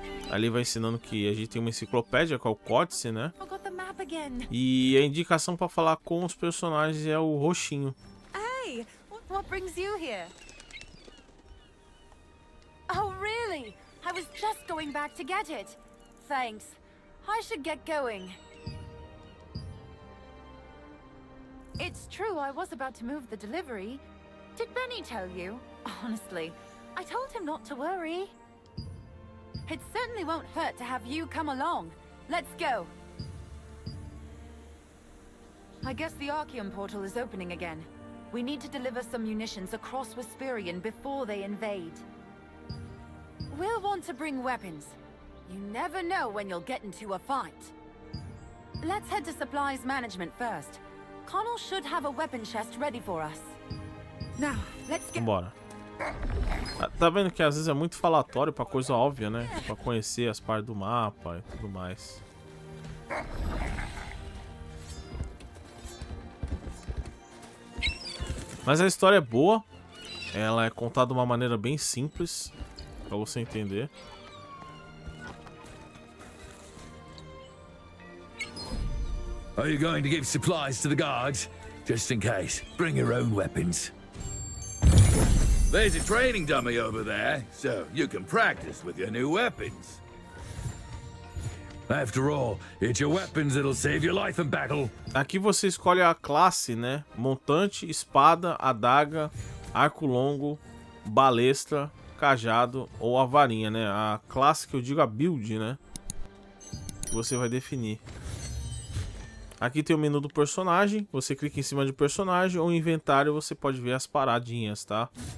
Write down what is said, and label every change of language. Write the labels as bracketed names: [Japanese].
[Portuguese] Ali vai ensinando que a gente tem uma enciclopédia com o códice, né? E a indicação para falar com os personagens é o roxinho. [English] Hey, what brings you here? Oh, really? I was just going back to get it. Thanks. I should get going. It's true, I was about to move the delivery. Did Benny tell you? Honestly, I told him not to worry. It certainly won't hurt to have you come along. Let's go. I guess the Archeon portal is opening again. We need to deliver some munitions across Whisperion before they invade. We'll want to bring weapons. You never know when you'll get into a fight. Let's head to supplies management first. Connell should have a weapon chest ready for us. Now, let's get... [Portuguese] Bora. Tá vendo que às vezes é muito falatório pra coisa óbvia, né? Pra conhecer as partes do mapa e tudo mais. Mas a história é boa. Ela é contada de uma maneira bem simples pra você entender. [English] Are you going to give supplies to the guards? Just in case. Bring your own weapons. There's a training dummy over there, so you can practice with your new weapons. After all, it's your weapons that'll save your life in battle. [Portuguese] Aqui você escolhe a classe, né? Montante, espada, adaga, arco longo, balestra, cajado ou a varinha, né? A classe que eu digo, a build, né? Você vai definir. Aqui tem o menu do personagem, você clica em cima de personagem ou inventário, você pode ver as paradinhas, tá?